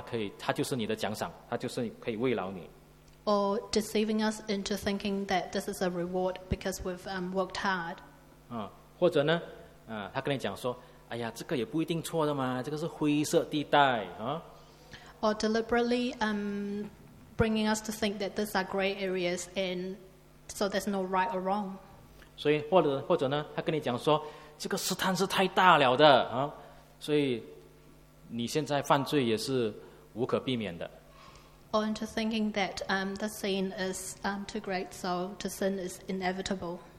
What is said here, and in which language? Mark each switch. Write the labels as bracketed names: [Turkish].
[Chinese] 或者呢，他跟你讲说，你最近哇很辛苦了，你最近很努力了啊，所以呢去做这个事情了哈，他就是你的奖赏，他就是可以慰劳你。 [English] Or deceiving us into thinking that this is a reward because we've worked hard. [Chinese] 或者呢，他跟你讲说，哎呀，这个也不一定错的嘛，这个是灰色地带啊。 [English] Or deliberately bringing us to think that these are gray areas and so there's no right or wrong. [Chinese] 所以或者呢，他跟你讲说，这个试探是太大了的啊，所以你现在犯罪也是无可避免的。 [English] Or into thinking that the sin is too great, so to sin is inevitable.